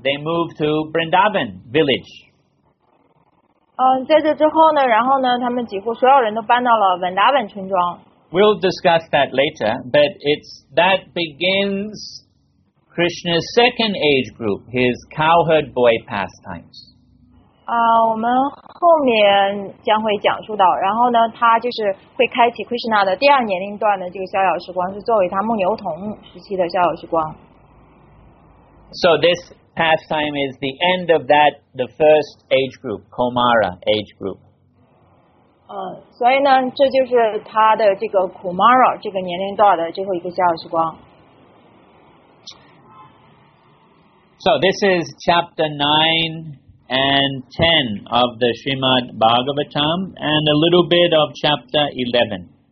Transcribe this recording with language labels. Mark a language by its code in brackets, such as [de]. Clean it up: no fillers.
[en] They move to Vrindavan village. [zh] 在这之后呢，然后呢，他们几乎所有人都搬到了 Vrindavan 村庄。 [en] We'll discuss that later, but that begins Krishna's second age group, his cowherd boy pastimes. [zh] 我们后面将会讲述到，然后呢，他就是会开启 Krishna 的第二年龄段的这个逍遥时光，是作为他牧牛童时期的逍遥时光。 [en] So this pastime is the end of that, the first age group, Kumara age group. [zh] 所以呢，这就是他的这个 Kumara 这个年龄段的最后一个逍遥时光。 [en] So this is chapter 9 and 10 of the Srimad Bhagavatam, and a little bit of chapter 11.